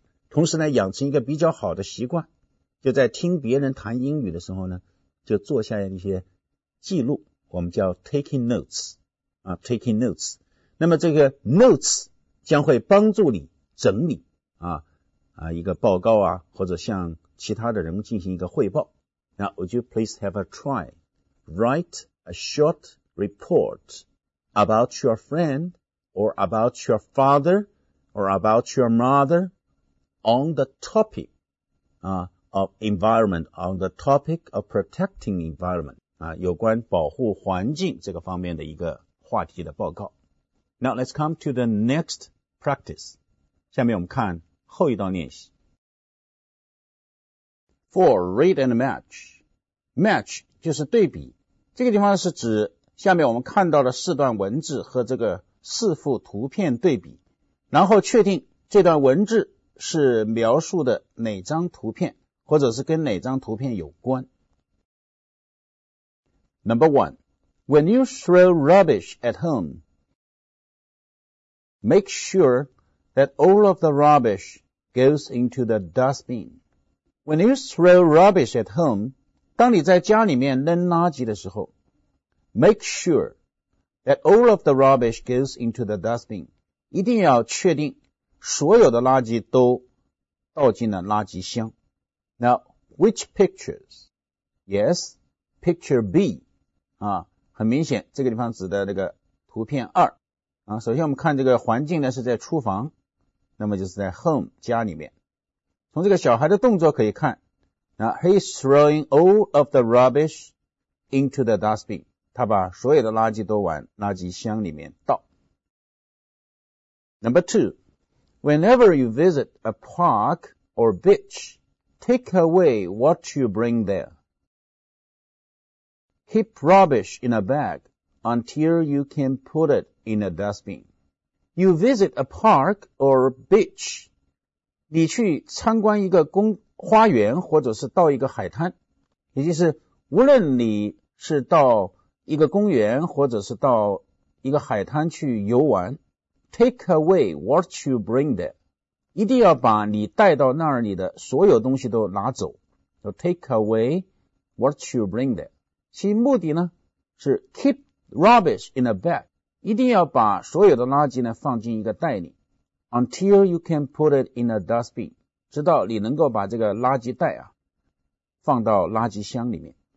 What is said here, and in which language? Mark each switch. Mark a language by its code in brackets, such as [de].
[zh] 同时呢，养成一个比较好的习惯，就在听别人谈英语的时候呢，就做下一些记录，我们叫 taking notes 啊， taking notes。那么这个 notes 将会帮助你整理啊一个报告啊，或者向其他的人进行一个汇报。 [en] 那 would you please have a try write a short reportabout your friend or about your father or about your mother on the topic of environment, on the topic of protecting environment 啊， [zh] 有关保护环境这个方面的一个话题的报告。 [en] Now let's come to the next practice. [zh] 下面我们看后一道练习。 [en] For read and match. [zh] Match 就是对比，这个地方是指下面我们看到的四段文字和这个四幅图片对比，然后确定这段文字是描述的哪张图片，或者是跟哪张图片有关。 [en] Number one, when you throw rubbish at home, make sure that all of the rubbish goes into the dustbin. When you throw rubbish at home, [zh] 当你在家里面扔垃圾的时候， [en] Make sure that all of the rubbish goes into the dustbin. [zh] 一定要确定所有的垃圾都倒进了垃圾箱。 [en] Now, which pictures? Yes, picture B. [zh] 啊，很明显，这个地方指的那个图片二。啊，首先我们看这个环境呢是在厨房，那么就是在 home 家里面。从这个小孩的动作可以看，那 [en] he's throwing all of the rubbish into the dustbin. [zh] 他把所有的垃圾都往垃圾箱里面倒。 [en] Number two, whenever you visit a park or beach, take away what you bring there. Keep rubbish in a bag until you can put it in a dustbin. You visit a park or beach. [zh] 你去参观一个公花园或者是到一个海滩，也就是无论你是到一个公园或者是到一个海滩去游玩， [en] Take away what you bring there. [zh] 一定要把你带到那儿里的所有东西都拿走。 [en] So take away what you bring there. [zh] 其目的呢是 [en] keep rubbish in a bag. [zh] 一定要把所有的垃圾呢放进一个袋里。 [en] Until you can put it in a dustbin. [zh] 直到你能够把这个垃圾袋啊放到垃圾箱里面。